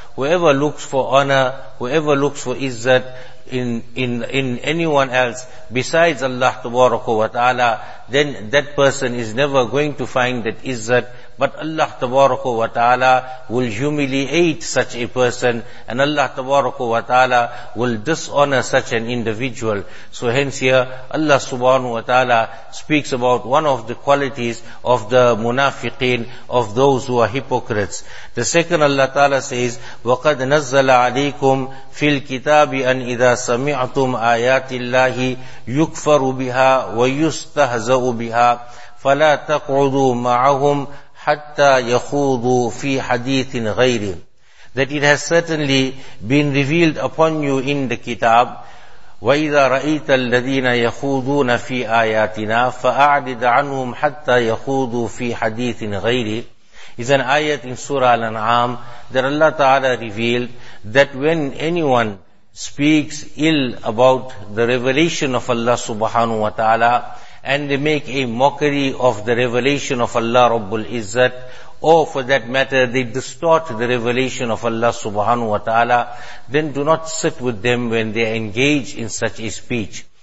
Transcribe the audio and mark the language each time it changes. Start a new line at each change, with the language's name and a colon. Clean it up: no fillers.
English: Whoever looks for honor, whoever looks for izzat, in anyone else besides Allah tabaraka wa ta'ala, then that person is never going to find that izzat, but Allah tabaraka wa ta'ala will humiliate such a person, and Allah tabaraka wa ta'ala will dishonor such an individual. So hence here Allah subhanahu wa ta'ala speaks about one of the qualities of the munafiqeen, of those who are hypocrites. The second Allah ta'ala says,
Arabic: وَقَدْ نَزَّلَ عَلَيْكُمْ فِي الْكِتَابِ أَنْ إِذَا سَمِعْتُمْ آيَاتِ اللَّهِ يُكْفَرُ بِهَا وَيُسْتَهْزَأُ بِهَا فَلَا تَقْعُدُوا مَعَهُمْ حَتَّى يَخُوضُوا فِي حَدِيثٍ غَيْرٍ.
English: That it has certainly been revealed upon you in the kitab,
Arabic: وَإِذَا رَأَيْتَ الَّذِينَ يَخُوضُونَ فِي آيَاتِنَا فَأَعْرِضْ عَنْهُمْ حَتَّى يَخُوضُوا فِي حَدِيثٍ غَيْرٍ.
English: Is an ayat in Surah Al-An'am that Allah Ta'ala revealed that when anyone speaks ill about the revelation of Allah subhanahu wa ta'ala and they make a mockery of the revelation of Allah Rabbul Izzat, or for that matter they distort the revelation of Allah subhanahu wa ta'ala, then do not sit with them when they engage in such a speech.